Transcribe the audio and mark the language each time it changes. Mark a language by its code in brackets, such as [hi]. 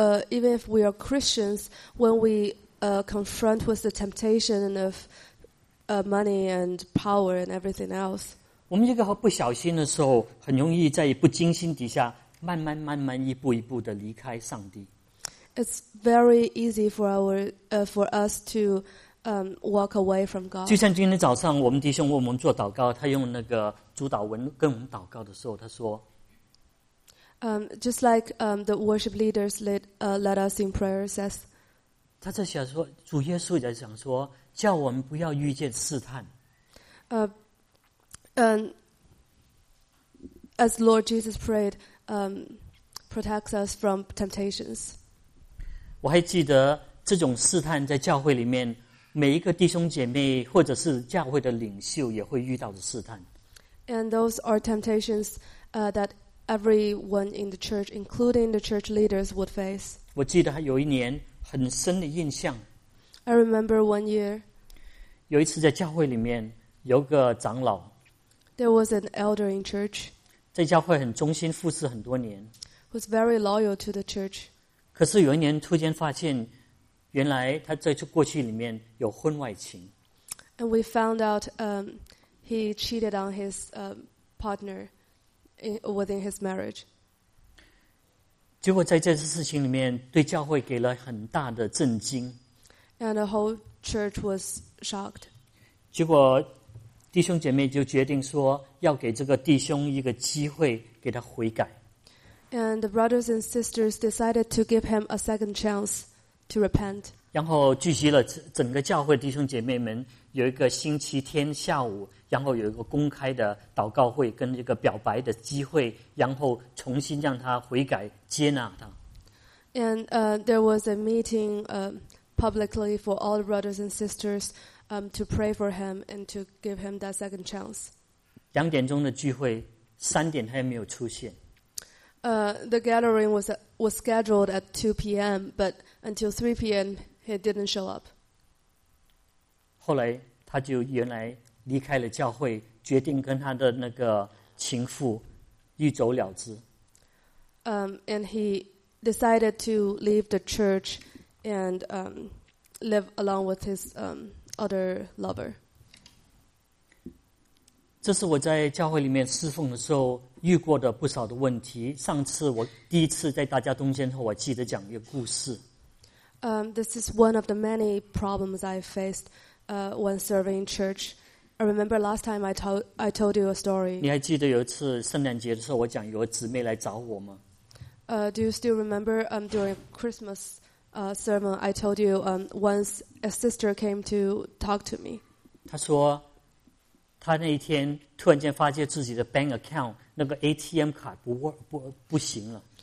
[en] ，even if we are Christians, when we confront with the temptation of money and power and everything else， [zh] 我们一个不小心的时候，很容易在不经心底下。慢慢慢慢一步一步的离开上帝。 [en] It's very easy for us to walk away from God. [zh] 就像今天早上我们弟兄为我们做祷告，他用那个主导文跟我们祷告的时候，他说 [en] ，Just like the worship leaders led us in prayer says， [zh] 他在想说主耶稣在想说叫我们不要遇见试探。 [en] As Lord Jesus prayed。 Protects us from temptations. [zh] 我还记得这种试探在教会里面，每一个弟兄姐妹或者是教会的领袖也会遇到的试探。 [en] And those are temptations that everyone in the church, including the church leaders, would face. [zh] 我记得有一年很深的印象。 [en] I remember one year. [zh] 有一次在教会里面有个长老。 [en] There was an elder in church. [zh] 在教会很忠心服侍很多年 [en] ，was very loyal to the church。 [zh] 可是有一年突然发现，原来他在过去里面有婚外情。 [en] And we found out, he cheated on his partner within his marriage. [zh] 结果在这次事情里面，对教会给了很大的震惊。 [en] And the whole church was shocked. [zh] 结果。弟兄姐妹就决定说要给这个弟兄一个机会给他悔改。 [en] And the brothers and sisters decided to give him a second chance to repent. [zh] 然后聚集了整个教会弟兄姐妹们有一个星期天下午，然后有一个公开的祷告会跟一个表白的机会，然后重新让他悔改接纳他。 [en] And there was a meeting publicly for all the brothers and sisters to pray for him and to give him that second chance. [zh] 两点钟的聚会，三点他也没有出现。 [en] The gathering was scheduled at 2 p.m., but until 3 p.m., he didn't show up. [zh] 后来他就原来离开了教会，决定跟他的那个情妇一走了之。 [en] And he decided to leave the church and live along with his other lover. [zh] 这是我在教会里面侍奉的时候遇过的不少的问题。上次我第一次在大家中间后，我记得讲一个故事。 [en] This is one of the many problems I faced when serving church. I remember last time I told you a story. [zh] 你还记得有一次圣诞节的时候，我讲有个姊妹来找我吗？ [en] Do you still remember during Christmas sermon I told you once a sister came to talk to me? [zh] 她说她那一天突然间发现自己的 bank account 那个 ATM 卡不行了。